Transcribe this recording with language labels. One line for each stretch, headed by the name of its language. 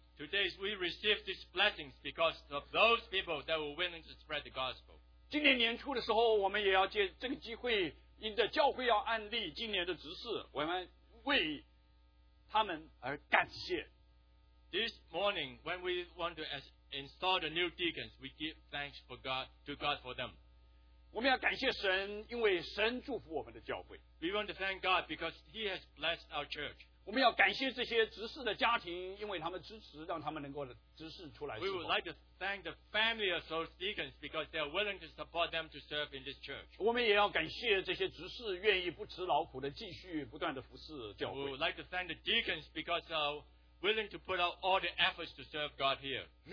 English: Today we receive these blessings because of those people that were willing to spread the gospel.
Chinese: 今年年初的时候，我们也要借这个机会，因着教会要按立今年的执事，我们为他们而感谢。This
English: morning, when we want to install the new deacons, we give thanks for God to God for them.
Chinese: 我们要感谢神，因为神祝福我们的教会。We
English: want to thank God because He has blessed our church.
Chinese: 我们要感谢这些执事的家庭，因为他们支持，让他们能够执事出来。We
English: would like to thank the family of those deacons because they are willing to support them to serve in this church.
Chinese: 我们也要感谢这些执事愿意不辞劳苦的继续不断的服侍教会。We
English: would like to thank the deacons because they are willing to put out all the efforts to serve God here.